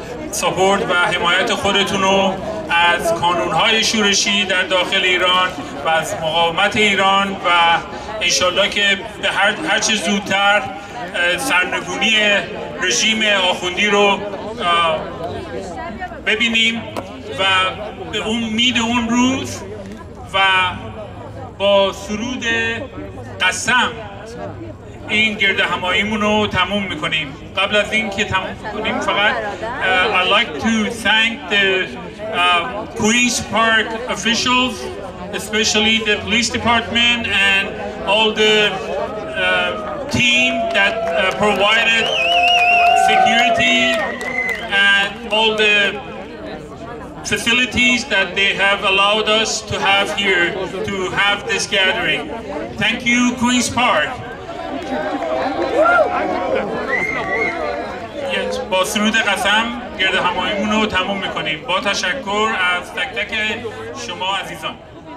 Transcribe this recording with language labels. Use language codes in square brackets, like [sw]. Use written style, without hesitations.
[fa] سپورت و حمایت خودتون رو از کانونهای شورشی در داخل ایران و از مقاومت ایران و انشالله که به هرچه زودتر سرنگونی رژیم آخوندی رو ببینیم و به امید اون روز و با سرود قسم این گرد همایمون رو تموم میکنیم. قبل از این که تموم کنیم فقط [en] I'd like to thank the Queens Park officials, especially the police department and all the team that provided security and all the facilities that they have allowed us to have here to have this gathering. Thank you, Queens Park. [fa] Yes, با سرود قسم گرد همایمون رو تموم میکنیم. با تشکر از تک تک شما عزیزان.